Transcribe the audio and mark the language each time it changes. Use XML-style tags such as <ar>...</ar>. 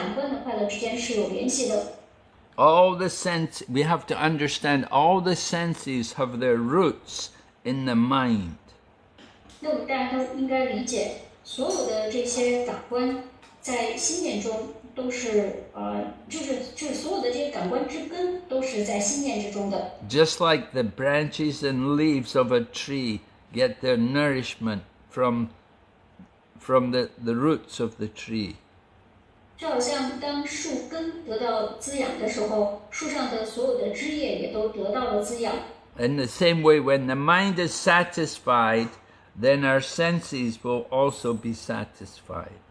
<zh>那所以说，所以说呢，就是这个心念的快乐与感官的快乐之间是有联系的。All</zh> <en>the sense, we have to understand all the senses have their roots in the mind.</en> <zh>那大家都应该理解，所有的这些感官在心念中。</zh> <en>Just like the branches and leaves of a tree get their nourishment from the roots of the tree. In the same way, when the mind is satisfied, then our senses will also be satisfied.</en>